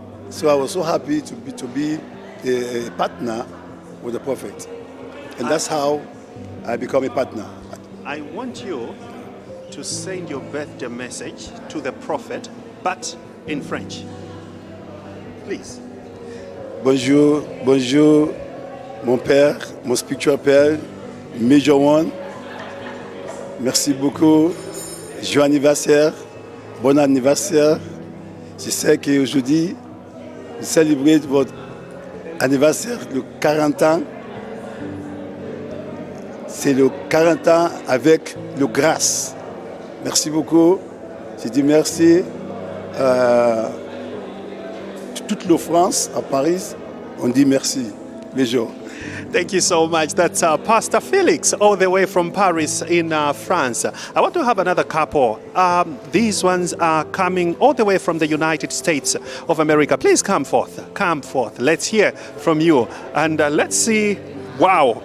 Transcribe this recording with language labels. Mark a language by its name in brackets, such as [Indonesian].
[English] So I was so happy to be a partner with the prophet, and that's how I become a partner. I want you to send your birthday message to the prophet, but in French. Please. [French] Bonjour, bonjour, mon père, mon spiritual père, Major One. Merci beaucoup. Joyeux anniversaire. Bon anniversaire. Je sais qu'aujourd'hui, vous célébrez votre anniversaire de 40 ans. C'est le 40 ans avec la grâce. Merci beaucoup. Je dis merci à toute la France, à Paris. On dit merci. Major. [English] Thank you so much. That's Pastor Felix, all the way from Paris in France. I want to have another couple. These ones are coming all the way from the United States of America. Please come forth. Come forth. Let's hear from you. And let's see. Wow.